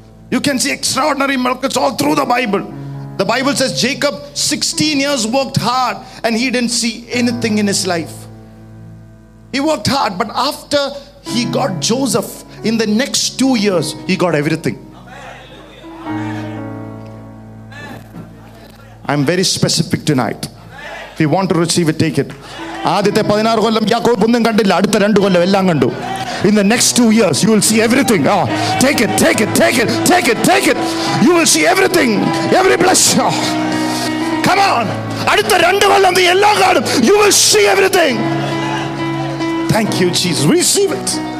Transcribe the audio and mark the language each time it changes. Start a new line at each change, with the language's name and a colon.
English: You can see extraordinary miracles all through the Bible. The Bible says Jacob 16 years worked hard and he didn't see anything in his life. He worked hard, but after he got Joseph, in the next 2 years, he got everything. I'm very specific tonight. If you want to receive it, take it.
Malayalam: ആദ്യത്തെ 16 കൊല്ലം യാക്കോബ് ഒന്നും കണ്ടില്ല, അടുത്ത 2 കൊല്ലം എല്ലാം കണ്ടു.
English: In the next 2 years, you will see everything. Oh, take it, take it, take it, take it, take it. You will see everything, every blessing. Oh, come on.
Malayalam: അടുത്ത 2 കൊല്ലം നീ എല്ലാം കാണും.
English: You will see everything. Thank you, Jesus. Receive it.